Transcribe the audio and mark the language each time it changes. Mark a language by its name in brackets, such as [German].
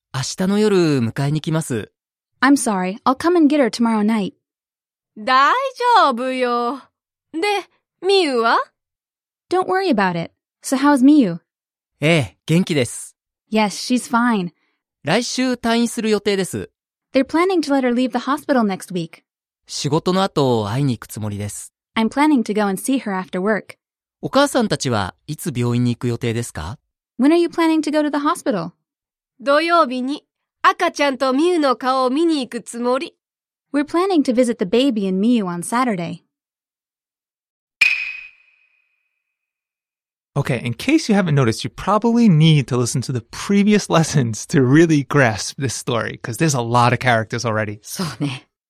[Japanese] 明日の夜、迎えに来ます。 [English] I'm sorry. I'll come and get her tomorrow night. [Japanese] 大丈夫よ。で、ミウは？ [English] Don't worry about it. So how's ミウ？ [Japanese] ええ、元気です。 [English] Yes, she's fine. [Japanese] 来週退院する予定です。 [English] They're planning to let her leave the hospital next week. [Japanese] 仕事の後会いに行くつもりです。 [English] I'm planning to go and see her after work. [Japanese] お母さんたちはいつ病院に行く予定ですか？ [English] When are you planning to go to the hospital? [Japanese] 土曜日に赤ちゃんとミウの顔を見に行くつもり。 [English] We're planning to visit the baby and Miu on Saturday. Okay, in case you haven't noticed, you probably need to listen to the previous lessons to really grasp this story, because there's a lot of characters already. [Japanese] そうね。